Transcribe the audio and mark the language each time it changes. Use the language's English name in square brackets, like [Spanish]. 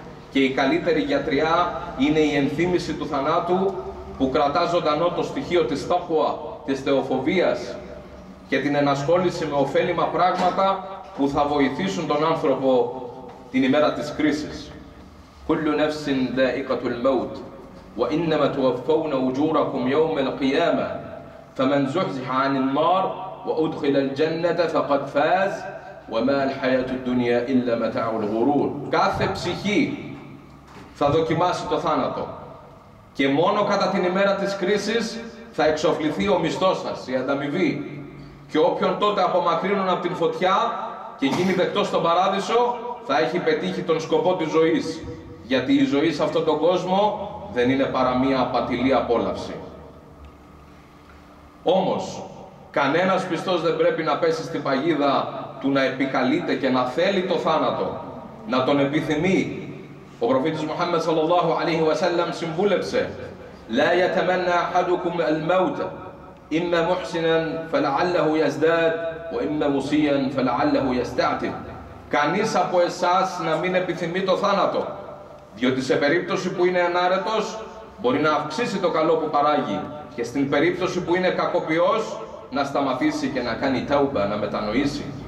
[Greek] Και η καλύτερη γιατριά είναι η ενθύμηση του θανάτου που κρατά ζωντανό το στοιχείο της τάχουα, της θεοφοβίας και την ενασχόληση με ωφέλιμα πράγματα που θα βοηθήσουν τον άνθρωπο την ημέρα της κρίσης. [Arabic] «Κουλλου νεύσιν δαϊκατουλ μεούτ, وَإِنَّمَ تُوَفَّوْنَ أُجُورَكُمْ يَوْمَ الْقِيَامَةِ فَمَنْ زُحْزِحَ عَنِ النَّارِ وَأُدْخِلَ الْجَنَّةَ فَقَدْ فَازَ وَمَا الْحَيَاةُ الدُّنْيَا إِلَّا مَتَاعُ الْغُرُورِ». [Greek] Κάθε ψυχή θα δοκιμάσει το θάνατο και μόνο κατά την ημέρα της κρίσης θα εξοφληθεί ο μισθός σας, η ανταμοιβή, και όποιον τότε απομακρύνουν από την φωτιά και γίνει δεκτός στον παράδεισο θα έχει πετύχει τον σκοπό της ζωής, γιατί η ζωή σε αυτόν τον κόσμο δεν είναι παρά μία απατηλή απόλαυση. Όμως, κανένας πιστός δεν πρέπει να πέσει στην παγίδα του να επικαλείται και να θέλει το θάνατο, να τον επιθυμεί. Ο προφήτης Μουχάμμαντ sallallahu alayhi wa sallam συμβούλεψε [Arabic] «Λα يتمنى أحدكم الموت إما محسنا فلعله يزداد وإما مسيا فلعله يستعتب». [Greek] Κανείς από εσάς να μην επιθυμεί το θάνατο, διότι σε περίπτωση που είναι ανάρετος μπορεί να αυξήσει το καλό που παράγει και στην περίπτωση που είναι κακοποιός να σταματήσει και να κάνει τάουμπα, να μετανοήσει.